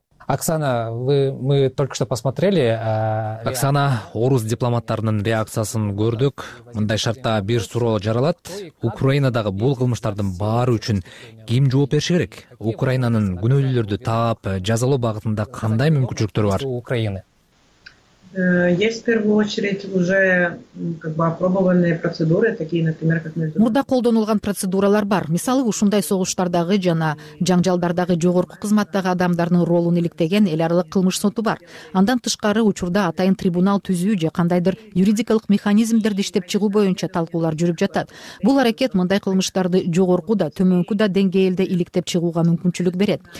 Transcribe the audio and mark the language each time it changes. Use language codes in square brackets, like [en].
[ru] Оксана, мы только что посмотрели. [ky] Оксана, орус дипломаттарынын реакциясын көрдүк. Мындай шартта бир суроо жаралат. Украинадагы бул кылмыштардын баары үчүн ким жооп бериши керек? Украинанын күнөөлүүлөрдү таап, жазалоо багытында кандай мүмкүнчүлүктөр бар? [ru] Есть в первую очередь уже опробованные процедуры, такие, например, как между... [ky] Мурда колдонулган процедуралар бар. Мисалы, ушундай согуштардагы жана жаңжалдардагы жогорку кызматтагы адамдардын ролун иликтеген эл аралык кылмыш соту бар. Андан тышкары учурда атайын трибунал түзүү же кандайдыр юридикалык механизмдерди иштеп чыгуу боюнча талкуулар жүрүп жатат. Бул аракет мындай кылмыштарды жогорку да төмөнкү да деңгээлде иликтеп чыгууга мүмкүнчүлүк берет.